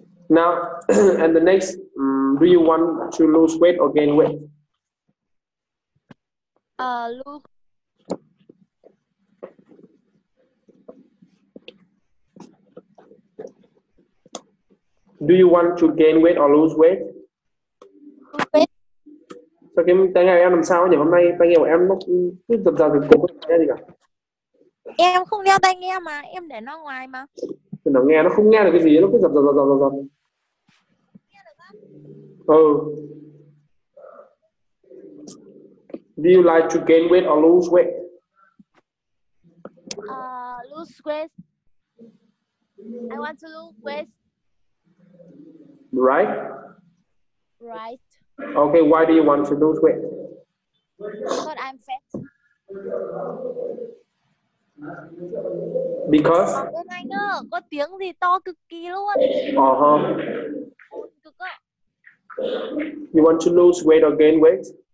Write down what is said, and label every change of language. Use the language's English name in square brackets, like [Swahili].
[English] Now, and the next, do you want to lose weight or gain weight? Lose. Do you want to gain weight or lose weight? [Vietnamese] Sao cái tai nghe em làm sao nhỉ? Hôm nay tai nghe của em nó cứ dập dờn cục không nghe gì cả. Em không đeo tai nghe mà, em để nó ngoài mà. Thì nó nghe, nó không nghe được cái gì, nó cứ dập. Nghe được không? Ừ. [English] Do you like to gain weight or lose weight? Lose weight. I want to lose weight. Right? Right. Okay, why do you want to lose weight? Because I'm fat. Because? [Vietnamese] Ôi anh ơi, có tiếng gì to cực kỳ luôn. Uh-huh. [English] You want to lose weight or gain weight?